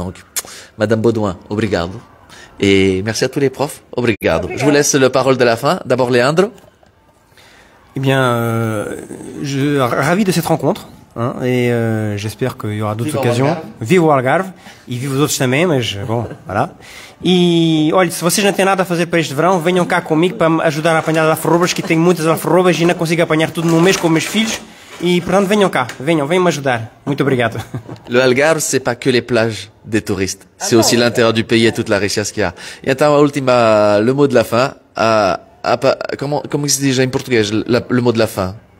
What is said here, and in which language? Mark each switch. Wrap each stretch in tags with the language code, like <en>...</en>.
<fr>Donc, Madame Baudouin, obrigado. Et merci à tous les profs, obrigado. Obrigado. Je vous laisse la parole de la fin. D'abord, Leandro. Eh bien, je suis ravi de cette rencontre. Hein, et j'espère qu'il y aura d'autres occasions.</fr> <pt>Vive o Algarve.</pt> <fr>Et vive vous autres aussi, mais je, bon, voilà.</fr> <pt>Et, olha, si vocês não têm nada à fazer para este verão, venham cá comigo para ajudar a apanhar alfarrobas, que tenho muitas alfarrobas e não consigo apanhar tudo num mês com meus filhos. E, portanto, venham cá, venham me ajudar. Muito obrigado.</pt> <fr>Le Algarve, c'est pas que les plages des touristes. C'est aussi l'intérieur du pays et toute la richesse qu'il y a. Et</fr> <pt>então, a última,</pt> <fr>le mot de la fin. Comment se dit déjà en português, le mot de la fin?</fr>